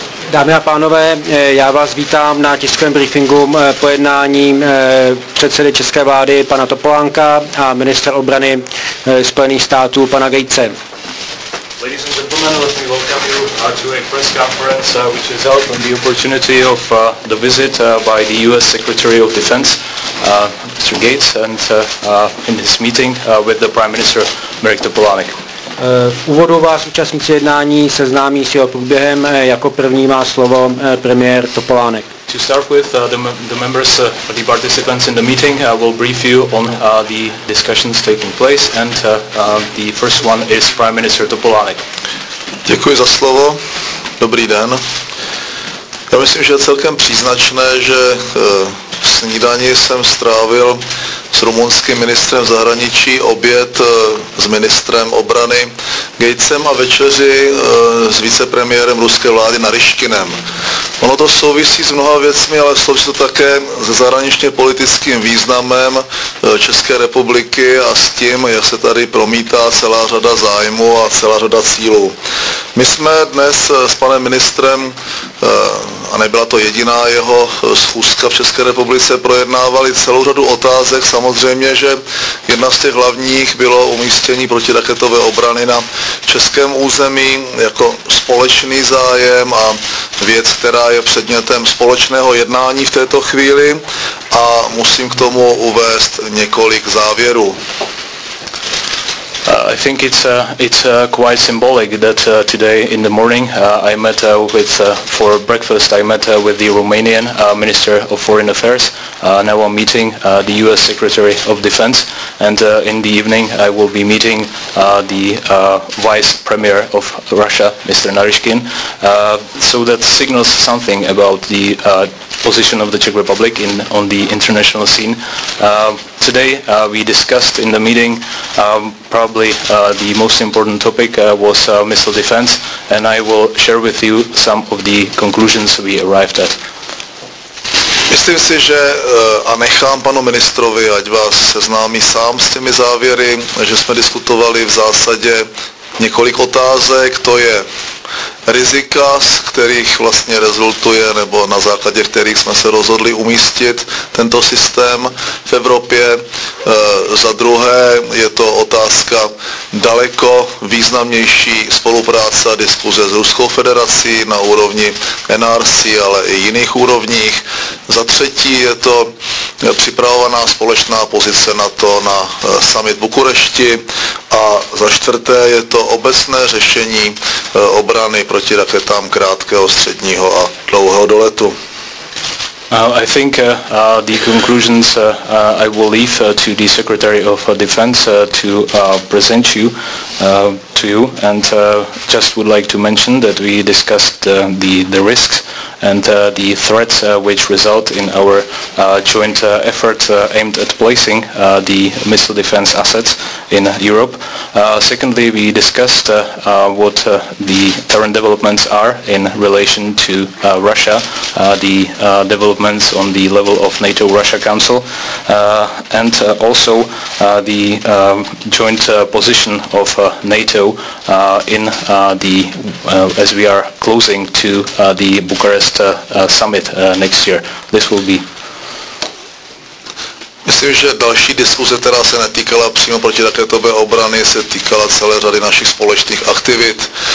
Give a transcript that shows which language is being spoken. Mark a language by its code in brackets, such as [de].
[cs] Dámy a pánové, já vás vítám na tiskovém briefingu po jednání předsedy české vlády pana Topolánka a ministra obrany Spojených států pana Gatese. [en] Ladies and gentlemen, let me welcome you to a press conference which is held on the opportunity of the visit by the US Secretary of Defense, Mr. Gates, and in his meeting with the Prime Minister Mirek Topolánek. [cs] V úvodu vás účastníci jednání seznámí s jeho průběhem. Jako první má slovo premiér Topolánek. [en] To start with, the members, the participants in the meeting will brief you on the discussions taking place and the first one is Prime Minister Topolánek. [cs] Děkuji za slovo. Dobrý den. Já myslím, že je celkem příznačné, že snídaní jsem strávil s rumunským ministrem zahraničí, oběd s ministrem obrany Gatesem a večeři s vicepremiérem ruské vlády Naryškinem. Ono to souvisí s mnoha věcmi, ale souvisí to také se zahraničně politickým významem České republiky a s tím, jak se tady promítá celá řada zájmů a celá řada cílů. My jsme dnes s panem ministrem, a nebyla to jediná jeho schůzka v České republice, projednávali celou řadu otázek. Samozřejmě, že jedna z těch hlavních bylo umístění protiraketové obrany na českém území jako společný zájem a věc, která je předmětem společného jednání v této chvíli, a musím k tomu uvést několik závěrů. [en] I think it's quite symbolic that today in the morning I met for breakfast with the Romanian Minister of Foreign Affairs. Now I'm meeting the U.S. Secretary of Defense, and in the evening I will be meeting the Vice Premier of Russia, Mr. Naryškin. So that signals something about the position of the Czech Republic on the international scene. Today we discussed in the meeting probably the most important topic was missile defense, and I will share with you some of the conclusions we arrived at. [cs] Myslím si, že a nechám panu ministrovi, ať vás seznámí sám s těmi závěry, že jsme diskutovali v zásadě několik otázek, to je rizika, z kterých vlastně rezultuje, nebo na základě kterých jsme se rozhodli umístit tento systém v Evropě. Za druhé je to otázka daleko významnější spolupráce a diskuze s Ruskou federací na úrovni NRC, ale i jiných úrovních. Za třetí je to připravovaná společná pozice NATO na summit Bukurešti. A za čtvrté je to obecné řešení obrany proti raketám krátkého, středního a dlouhého doletu. [en] I think the conclusions I will leave to the Secretary of Defense to present you to you, and just would like to mention that we discussed the risks and the threats which result in our joint effort aimed at placing the missile defense assets in Europe. Secondly, we discussed what the current developments are in relation to Russia, the developments on the level of NATO-Russia Council, and also the joint position of NATO in the as we are closing to the Bucharest summit next year. This will be. [cs] Myslím, že další diskuze, která se netýkala přímo protiraketové obrany, se týkala celé řady našich společných aktivit.